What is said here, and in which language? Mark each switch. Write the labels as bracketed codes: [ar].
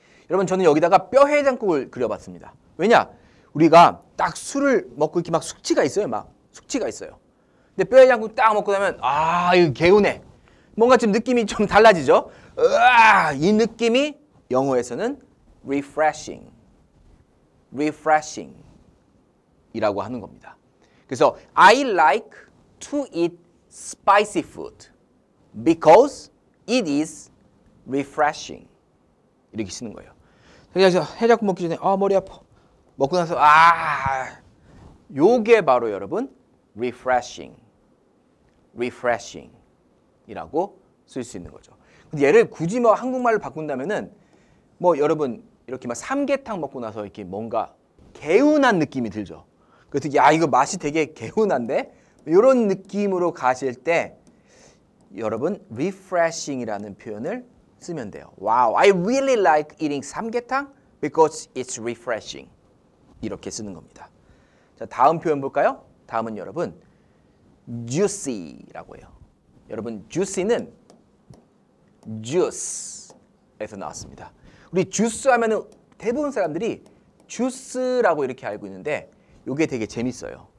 [ko] 여러분 저는 여기다가 뼈 해장국을 그려봤습니다. 왜냐? 우리가 딱 술을 먹고 이렇게 막 숙취가 있어요. 막 숙취가 있어요. 근데 뼈 해장국 딱 먹고 나면 아 이거 개운해. 뭔가 좀 느낌이 좀 달라지죠? 이 느낌이 영어에서는 refreshing. refreshing. 이라고 하는 겁니다. 그래서 [en] I like to eat spicy food because it is refreshing. [ko] 이렇게 쓰는 거예요. 그래서 해장국 먹기 전에 아 머리 아파. 먹고 나서 아 요게 바로 여러분 refreshing. refreshing. 이라고 쓸 수 있는 거죠. 근데 얘를 굳이 뭐 한국말로 바꾼다면은 뭐 여러분 이렇게 막 삼계탕 먹고 나서 이렇게 뭔가 개운한 느낌이 들죠. 그래서 야 이거 맛이 되게 개운한데 이런 느낌으로 가실 때 여러분 refreshing이라는 표현을 쓰면 돼요. [en] Wow, I really like eating 삼계탕 because it's refreshing. [ko] 이렇게 쓰는 겁니다. 자 다음 표현 볼까요? 다음은 여러분 juicy라고 해요. 여러분 juicy는 juice에서 나왔습니다. 우리 주스 하면은 대부분 사람들이 주스라고 이렇게 알고 있는데 이게 되게 재밌어요.